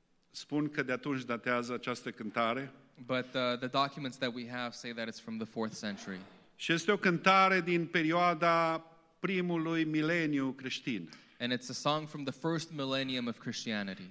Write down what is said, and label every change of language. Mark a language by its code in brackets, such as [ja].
[ro] spun că de atunci datează această cântare. [en] But the documents that we have say that it's from the 4th century. [ro] Și este o cântare din perioada primului mileniu creștin. [en] And it's a song from the first millennium of Christianity.